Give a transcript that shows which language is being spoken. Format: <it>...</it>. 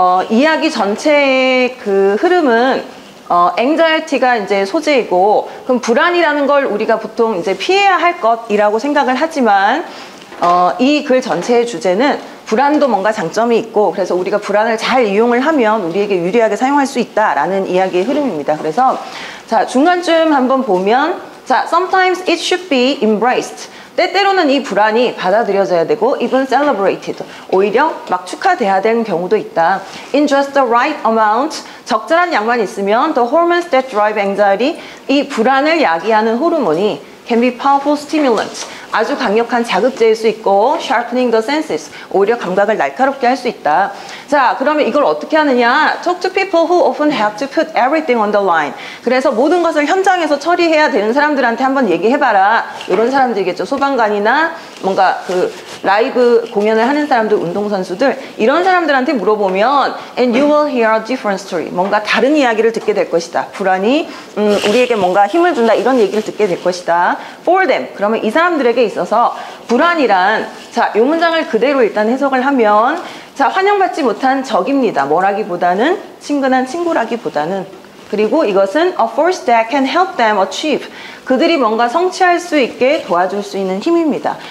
<ko>이야기 전체의 그 흐름은 앵자이어티가 이제 소재이고 그럼 불안이라는 걸 우리가 보통 이제 피해야 할 것이라고 생각을 하지만 이 글 전체의 주제는 불안도 뭔가 장점이 있고 그래서 우리가 불안을 잘 이용을 하면 우리에게 유리하게 사용할 수 있다라는 이야기의 흐름입니다. 그래서 자, 중간쯤 한번 보면 자,</ko> <en>sometimes it should be embraced.</en> <ko>때때로는 이 불안이 받아들여져야 되고</ko> <en>even celebrated.</en> <ko>오히려 막 축하돼야 되는 경우도 있다.</ko> <en>In just the right amount.</en> <ko>적절한 양만 있으면</ko> <en>the hormones that drive anxiety.</en> <ko>이 불안을 야기하는 호르몬이</ko> <en>can be powerful stimulant.</en> <ko>아주 강력한 자극제일 수 있고</ko> <en>sharpening the senses,</en> <ko>오히려 감각을 날카롭게 할 수 있다. 자, 그러면 이걸 어떻게 하느냐?</ko> <en>Talk to people who often have to put everything on the line.</en> <ko>그래서 모든 것을 현장에서 처리해야 되는 사람들한테 한번 얘기해봐라. 이런 사람들이겠죠. 소방관이나 뭔가 그 라이브 공연을 하는 사람들, 운동선수들. 이런 사람들한테 물어보면</ko> <en>And you will hear a different story.</en> <ko>뭔가 다른 이야기를 듣게 될 것이다. 불안이 우리에게 뭔가 힘을 준다. 이런 얘기를 듣게 될 것이다.</ko> <en>For them.</en> <ko>그러면 이 사람들에게 있어서 불안이란 자, 이 문장을 그대로 일단 해석을 하면 자, 환영받지 못한 적입니다. 뭐라기보다는 친근한 친구라기보다는 그리고 이것은</ko> <en>a force that can help them achieve</en> <ko>그들이 뭔가 성취할 수 있게 도와줄 수 있는 힘입니다.</ko>